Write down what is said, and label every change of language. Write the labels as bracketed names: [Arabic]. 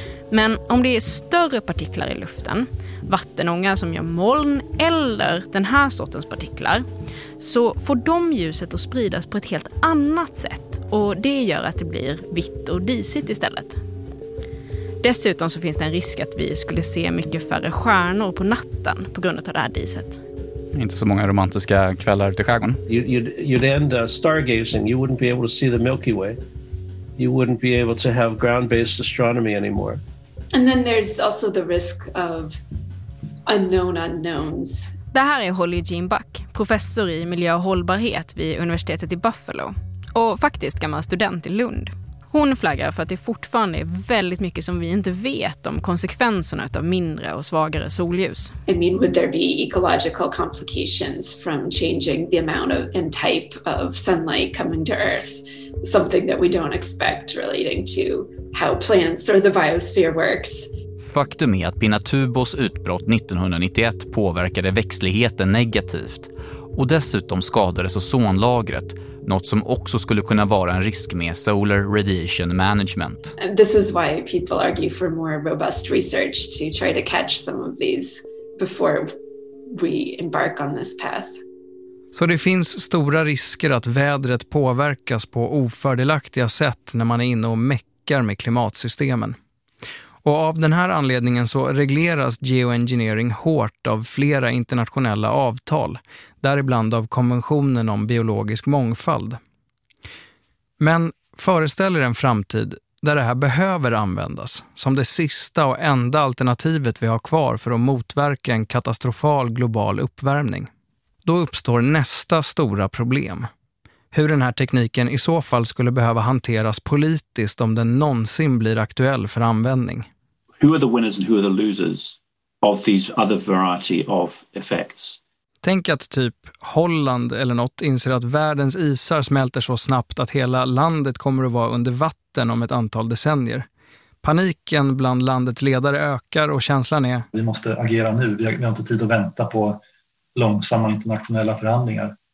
[Swedish] Men om det är större partiklar i luften, vattenånga som gör moln eller den här sortens partiklar, så får de ljuset att spridas på ett helt annat sätt och det gör att det blir vitt och disigt istället. Dessutom så finns det en risk att vi skulle se mycket färre stjärnor på natten på grund av det här diset. Inte så många romantiska kvällar ute i skärgården. [English] You'd end stargazing. You wouldn't be able to see the Milky Way. You wouldn't be able to have ground-based astronomy anymore. And then there's also the risk of unknown unknowns. [Swedish] Det här är Holly Jean Buck, professor i miljö och hållbarhet vid universitetet i Buffalo. Och faktiskt gammal student i Lund. Hon flaggar för att det fortfarande är väldigt mycket som vi inte vet om konsekvenserna av mindre och svagare solljus. [English] I mean, would there be ecological complications from changing the amount of and type of sunlight coming to Earth? Something that we don't expect relating to how plants or the biosphere works. [Swedish] Faktum är att Pinatubos utbrott 1991 påverkade växtligheten negativt. Och dessutom skadades ozonlagret, något som också skulle kunna vara en risk med solar radiation management. [English] This is why people argue for more robust research to try to catch some of these before we embark on this path. [Swedish] Så det finns stora risker att vädret påverkas på ofördelaktiga sätt när man är inne och meckar med klimatsystemen. Och av den här anledningen så regleras geoengineering hårt av flera internationella avtal, däribland av konventionen om biologisk mångfald. Men föreställer en framtid där det här behöver användas som det sista och enda alternativet vi har kvar för att motverka en katastrofal global uppvärmning. Då uppstår nästa stora problem. Hur den här tekniken i så fall skulle behöva hanteras politiskt om den någonsin blir aktuell för användning. [English] Who are the winners and who are the losers of these other variety of effects? [Swedish] Tänk att typ Holland eller något inser att världens isar smälter så snabbt att hela landet kommer att vara under vatten om ett antal decennier. Paniken bland landets ledare ökar och känslan är: vi måste agera nu, vi har inte tid att vänta på långsamma internationella förhandlingar.